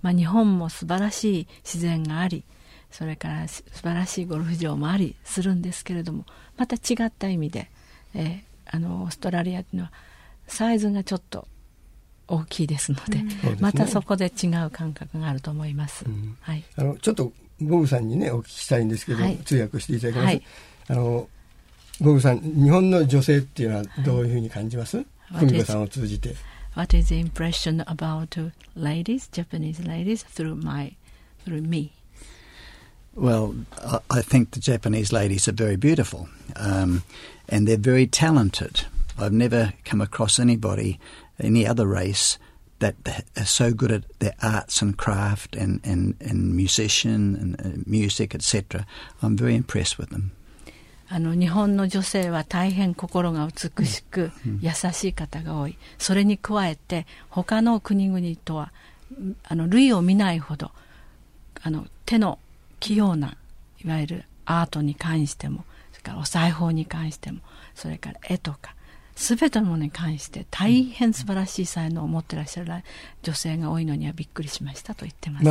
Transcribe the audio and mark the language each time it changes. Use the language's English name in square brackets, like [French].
[Japanese] まあ、日本も素晴らしい自然があり、それから素晴らしいゴルフ場もありするんですけれども、また違った意味で、あのオーストラリアというのはサイズがちょっと大きいですので、うん、そうですね、またそこで違う感覚があると思います、うん、はい、あのちょっとボブさんにねお聞きしたいんですけど、はい、通訳していただきます、はい、あのボブさん、日本の女性っていうのはどういうふうに感じます？久美子さんを通じて。 [English] What is the impression about ladies, Japanese ladies through me? Well, I think the Japanese ladies are very beautiful、and they're very talented. I've never come across anybody any other race that are so good at their arts and craft and musician and music, etc. I'm very impressed with them. [Japanese] あの日本の女性は大変心が美しく優しい方が多い。それに加えて他の国々とはあの類を見ないほどあの手の器用な、いわゆるアートに関しても、それからお裁縫に関しても、それから絵とか全てのものに関して大変素晴らしい才能を持っていらっしゃる女性が多いのにはびっくりしましたと言ってます。